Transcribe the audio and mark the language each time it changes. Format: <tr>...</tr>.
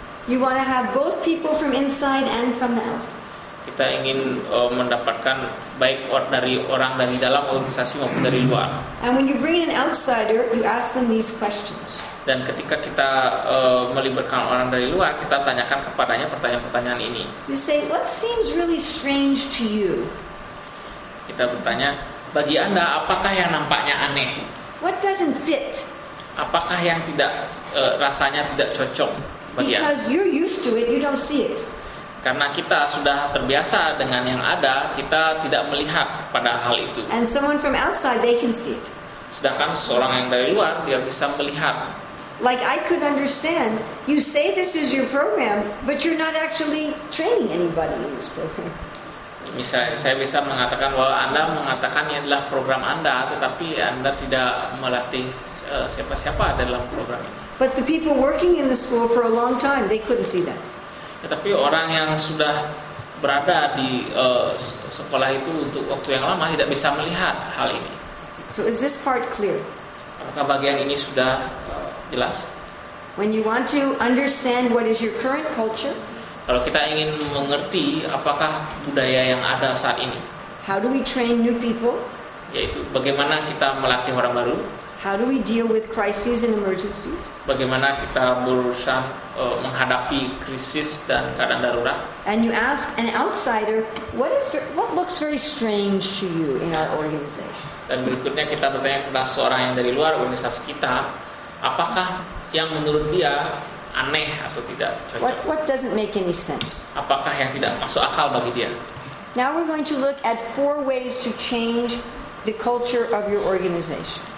<en>You want to have both people from inside and from the outside.</en> <id>Kita ingin mendapatkan baik dari orang dari dalam organisasi maupun dari luar.</id> <en>And when you bring in an outsider, you ask them these questions.</en> <id>Dan ketika kita melibatkan orang dari luar, kita tanyakan kepadanya pertanyaan-pertanyaan ini.</id> <en>You say, "What seems really strange to you?"</en> <id>Kita bertanya, "Bagi Anda apakah yang nampaknya aneh?"</id> <en>"What doesn't fit?"</en> <id>Apakah yang tidak rasanya tidak cocok bagi Anda?</id> <en>Because you're used to it, you don't see it.</en> <id>Karena kita sudah terbiasa dengan yang ada, kita tidak melihat pada hal itu.</id> <en>And someone from outside, they can see it.</en> <id>Sedangkan seorang yang dari luar, dia bisa melihat.</id> <en>Like I could understand, you say this is your program, but you're not actually training anybody in this program.</en> <id>Misalnya, saya bisa mengatakan bahwa Anda mengatakan ini adalah program Anda, tetapi Anda tidak melatih siapa-siapa dalam program ini.</id> <en>But the people working in the school for a long time, they couldn't see that.</en> <id>Tetapi orang yang sudah berada di sekolah itu untuk waktu yang lama tidak bisa melihat hal ini.</id> <en>So is this part clear?</en> <id>Apakah bagian ini sudah jelas?</id> <en>When you want to understand what is your current culture?</en> <id>Kalau kita ingin mengerti apakah budaya yang ada saat ini.</id> <en>How do we train new people?</en> <id>Yaitu bagaimana kita melatih orang baru?</id> <en>How do we deal with crises and emergencies?</en> <id>Bagaimana kita berusaha menghadapi krisis dan keadaan darurat?</id> <en>And you ask an outsider, what looks very strange to you in our organization?</en> <id>Dan berikutnya kita bertanya kepada seorang yang dari luar organisasi kita, apakah yang menurut dia aneh atau tidak?</id> <en>What doesn't make any sense?</en> <id>Apakah yang tidak masuk akal bagi dia?</id> <en>Now we're going to look at four ways to change the culture of your organization.</en>